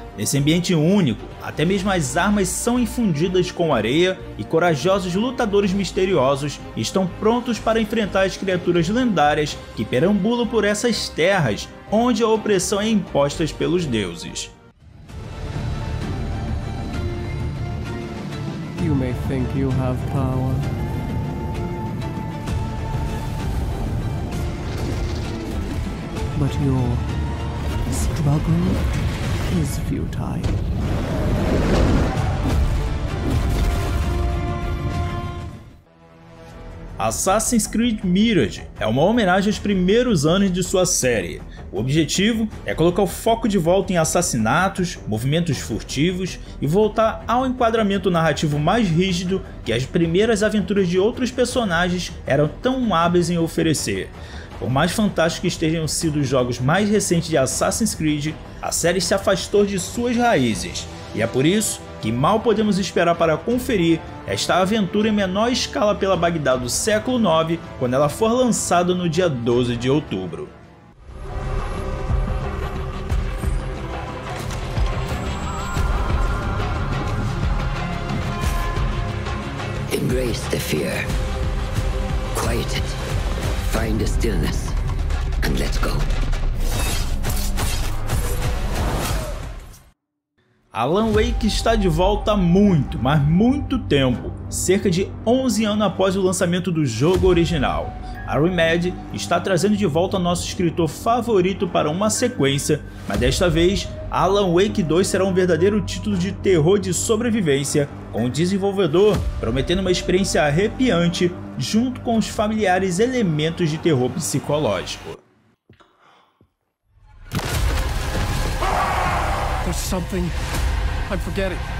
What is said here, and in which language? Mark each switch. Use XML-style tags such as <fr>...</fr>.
<pt>Nesse ambiente único, até mesmo as armas são infundidas com areia e corajosos lutadores misteriosos estão prontos para enfrentar as criaturas lendárias que perambulam por essas terras onde a opressão é imposta pelos deuses.</pt> <en>You may think you have power. But your struggle is futile.</en> <pt>Assassin's Creed Mirage é uma homenagem aos primeiros anos de sua série. O objetivo é colocar o foco de volta em assassinatos, movimentos furtivos e voltar ao enquadramento narrativo mais rígido que as primeiras aventuras de outros personagens eram tão hábeis em oferecer. Por mais fantástico que estejam sido os jogos mais recentes de Assassin's Creed, a série se afastou de suas raízes, e é por isso que mal podemos esperar para conferir esta aventura em menor escala pela Bagdá do século IX, quando ela for lançada no dia 12 de outubro.</pt> <en>Embrace the fear. Quiet it. Find a stillness and let's go.</en> <pt>Alan Wake está de volta há muito, mas muito tempo, cerca de 11 anos após o lançamento do jogo original. A Remedy está trazendo de volta nosso escritor favorito para uma sequência, mas desta vez, Alan Wake 2 será um verdadeiro título de terror de sobrevivência, com o desenvolvedor prometendo uma experiência arrepiante junto com os familiares elementos de terror psicológico.</pt> <en>There's something I'm forgetting.</en>